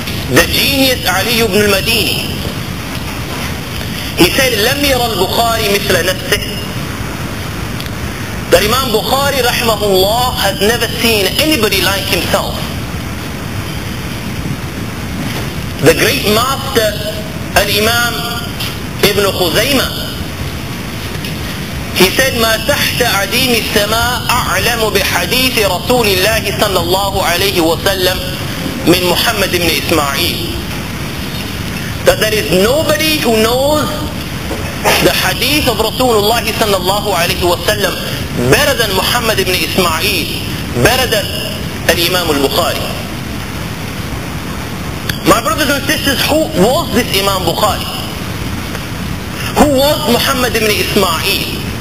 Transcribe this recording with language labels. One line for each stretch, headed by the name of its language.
English: The genius Ali ibn al-Madini, he said,
Arabic: لم ير البخاري مثل نفسه.
English: That Imam Bukhari rahimahullah has never seen anybody like himself. The great master, Al-Imam Ibn Khuzayma, he said,
Arabic: ما تحت عديم السماء أعلم بحديث رسول الله صلى الله عليه وسلم من محمد بن إسماعيل.
English: That there is nobody who knows the hadith of Rasulullah sallallahu alayhi wa sallam better than Muhammad ibn Ismail, better than al-Imam al-Bukhari. My brothers and sisters, who was this Imam Bukhari? Who was Muhammad ibn Ismail?